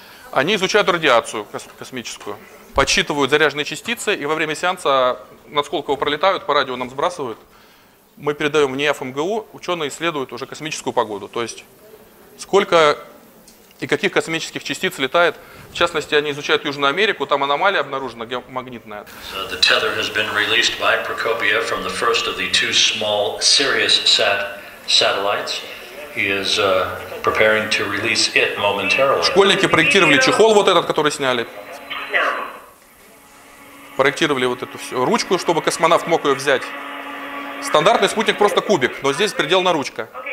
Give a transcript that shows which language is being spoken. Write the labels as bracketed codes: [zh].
[ru] Они изучают радиацию космическую, подсчитывают заряженные частицы, и во время сеанса, насколько его пролетают, по радио нам сбрасывают, мы передаем в НИАФ МГУ, ученые исследуют уже космическую погоду, то есть сколько и каких космических частиц летает. В частности, они изучают Южную Америку, там аномалия обнаружена геомагнитная. [en] The tether has been released by Procopia from the first of the two small Sirius satellites. He is preparing to release it momentarily. [ru] Школьники проектировали чехол вот этот, который сняли. Проектировали вот эту всю ручку, чтобы космонавт мог ее взять. Стандартный спутник просто кубик, но здесь приделана ручка.